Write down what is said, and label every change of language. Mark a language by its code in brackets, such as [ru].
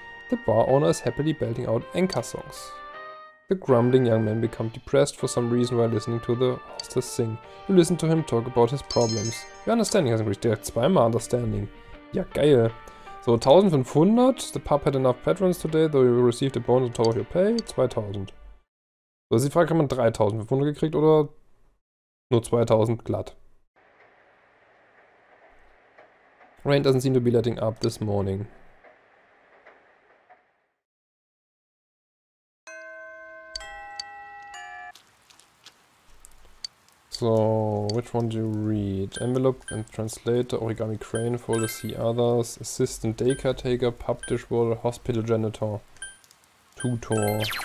[en] The bar owner is happily belting out Enka songs. The grumbling young man becomes depressed for some reason while listening to the hostess sing. You listen to him talk about his problems. Your understanding has increased. [de] Direkt zweimal [en] understanding. [de] Ja, geil. So, 1500. [en] The pub had enough patrons today, though you received a bonus on top of your pay. 2000. [de] So, ist die Frage, hat man 3500 gekriegt oder nur 2000 glatt? [en] Rain doesn't seem to be letting up this morning. So, which one do you read? Envelope and translator, origami crane, folder, see others, assistant day caretaker, pub dishwater, hospital janitor, tutor.